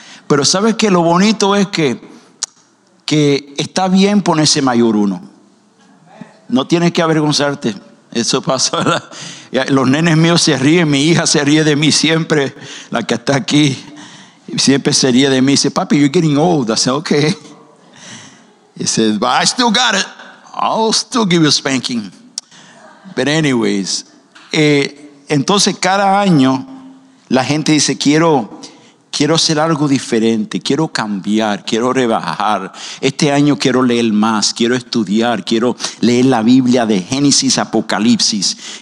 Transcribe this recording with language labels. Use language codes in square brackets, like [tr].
[es] Pero sabes que lo bonito es que está bien ponerse mayor uno. No tienes que avergonzarte. Eso pasa, ¿verdad? Los nenes míos se ríen, mi hija se ríe de mí siempre, la que está aquí siempre se ríe de mí. Dice, papi, [en] you're getting old. I said, okay. He said, but I still got it. I'll still give you a spanking. But anyways, [es] entonces cada año la gente dice, quiero hacer algo diferente, quiero cambiar, quiero rebajar. Este año quiero leer más, quiero estudiar, quiero leer la Biblia de Génesis, Apocalipsis.